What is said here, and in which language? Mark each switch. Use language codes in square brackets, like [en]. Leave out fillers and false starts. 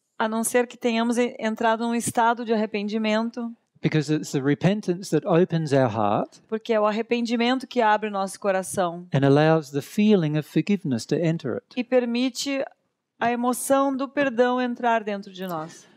[pt] A não ser que tenhamos entrado num estado de arrependimento. [en] Because it's the repentance that opens our heart. [pt] Porque é o arrependimento que abre o nosso coração. [en] And allows the feeling of forgiveness to enter it. [pt] E permite a emoção do perdão entrar dentro de nós.